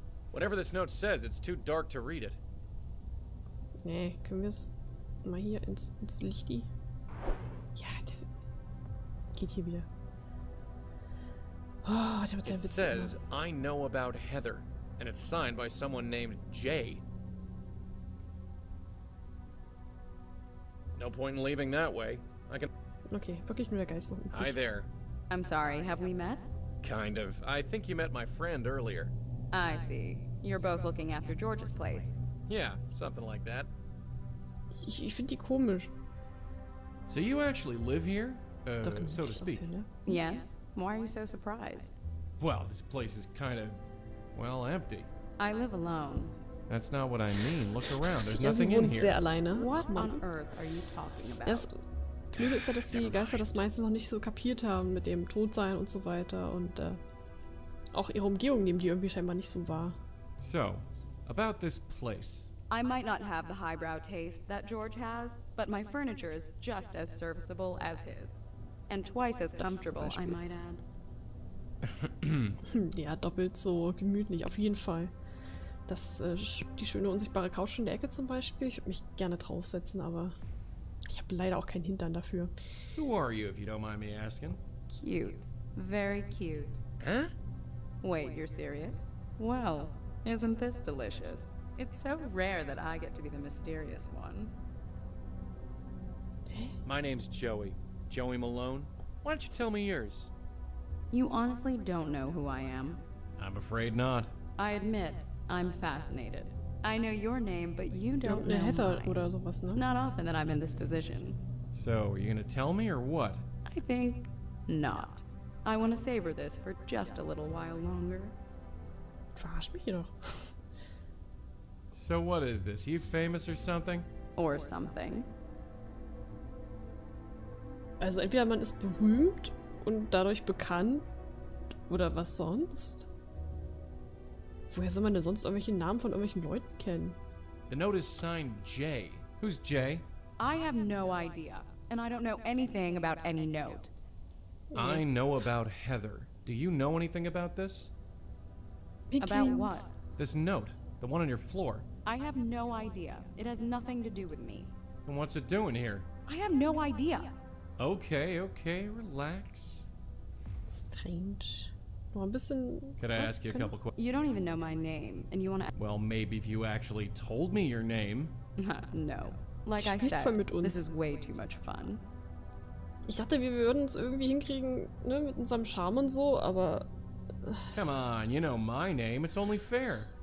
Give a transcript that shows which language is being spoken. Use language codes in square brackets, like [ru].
[en] Whatever this note says, it's too dark to read it. [de] Nee, können wir es mal hier ins Lichti? Ja, das geht hier wieder. Oh, der hat seinen [en] Witz. It says, I know about Heather, and it's signed by someone named Jay. No point in leaving that way. I can. [de] Okay, wirklich nur der Geist. [en] Hi there. I'm sorry, have we met? Kind of. I think you met my friend earlier. I see. You're both looking after George's place. Yeah, something like that. [de] Ich finde die komisch. [en] So you actually live here? So to speak. Yes. Why are you so surprised? Well, this place is kind of, well, empty. I live alone. That's not what I mean. Look around. There's nothing in here. [de] Sehr alleine. [en] What on earth are you talking about? [de] Das Blöde ist ja, dass die Geister das meistens noch nicht so kapiert haben mit dem Todsein und so weiter und auch ihre Umgebung nehmen die irgendwie scheinbar nicht so wahr. [en] So, about this place. I might not have the highbrow taste that George has, but my furniture is just as serviceable as his. And twice as comfortable, I might add. [de] Ja, doppelt so gemütlich, auf jeden Fall. Das, die schöne unsichtbare Couch in der Ecke zum Beispiel, ich würde mich gerne draufsetzen, aber ich habe leider auch keinen Hintern dafür. [en] Who are you, if you don't mind me asking? Cute. Very cute. Huh? Wait, you're serious? Well, isn't this delicious? It's so rare that I get to be the mysterious one. My name's Joey. Joey Malone. Why don't you tell me yours? You honestly don't know who I am. I'm afraid not. I admit, I'm fascinated. I know your name, but you don't know [de] Heather oder sowas, ne? [en] It's not often that I'm in this position. So, are you gonna tell me or what? I think not. I want to savor this for just a little while longer. [de] Verarsch mich hier doch. [en] So what is this? You famous or something? Or something. [de] Also entweder man ist berühmt und dadurch bekannt oder was sonst? Woher soll man denn sonst irgendwelche Namen von irgendwelchen Leuten kennen? [en] The note is signed Jay. Who's Jay? I have no idea and I don't know anything about any note. I know about Heather. Do you know anything about this? About what? This note. The one on your floor. I have no idea. It has nothing to do with me. And what's it doing here? I have no idea. Okay, okay, relax. Strange. Well, I'm missing... Could I ask you a couple questions? You don't even know my name, and you wanna... Well, maybe if you actually told me your name. No. Like I said, this is way too much fun. [de] Ich dachte, wir würden es irgendwie hinkriegen, ne, mit unserem Charme und so, aber... [en] Come on, you know my name, it's only fair.